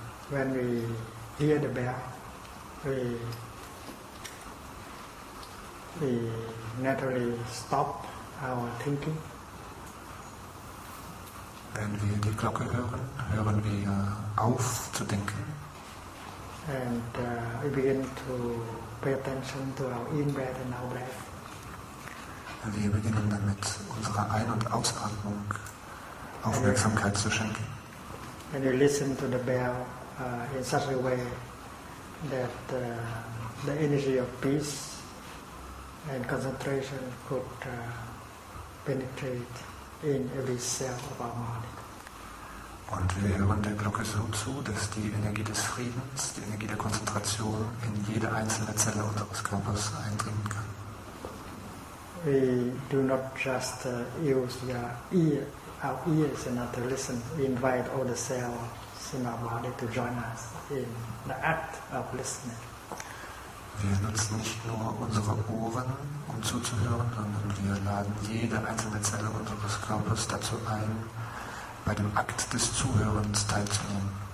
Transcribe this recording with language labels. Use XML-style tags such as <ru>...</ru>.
<en>When we hear the bell, we naturally stop our thinking.</en> <de>Wenn wir die Glocke hören, hören wir auf zu denken.</de> <en>And we begin to pay attention to our in-breath and out-breath.</en> <de>Wir beginnen damit, unserer Ein- und Ausatmung Aufmerksamkeit zu schenken.</de> <en>And we listen to the bell in such a way that the energy of peace and concentration could penetrate in every cell of our body.</en> <de>Und wir hören der Glocke so zu, dass die Energie des Friedens, die Energie der Konzentration in jede einzelne Zelle unseres Körpers eindringen kann.</de> <en>We do not just use our ears and not to listen. We invite all the cells in our body to join us in the act of listening.</en> <de>Wir nutzen nicht nur unsere Ohren, um zuzuhören, sondern wir laden jede einzelne Zelle unseres Körpers dazu ein, bei dem Akt des Zuhörens teilzunehmen.</de>